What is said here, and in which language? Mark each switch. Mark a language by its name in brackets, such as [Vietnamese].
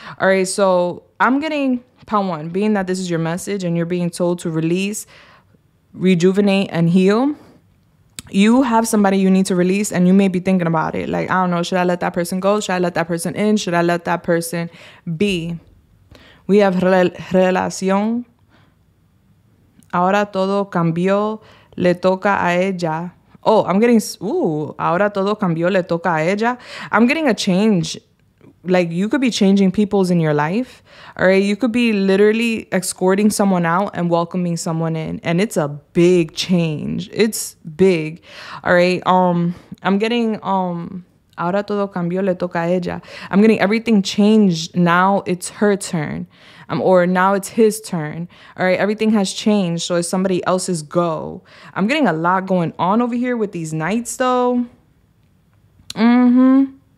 [English] All right, so I'm getting, pound one, being that this is your message and you're being told to release, rejuvenate and heal, you have somebody you need to release and you may be thinking about it. Like, I don't know, should I let that person go? Should I let that person in? Should I let that person be? We have relación. [Spanish] Ahora todo cambió. Le toca a ella. [English] Oh, I'm getting, ooh, [Spanish] ahora todo cambió, le toca a ella. [English] I'm getting a change. Like, you could be changing people's in your life, all right? You could be literally escorting someone out and welcoming someone in, and it's a big change. It's big, all right? I'm getting, [Spanish] ahora todo cambió, le toca a ella. [English] I'm getting everything changed. Now it's her turn, or now it's his turn, all right? Everything has changed, so it's somebody else's go. I'm getting a lot going on over here with these nights, though. Mm-hmm.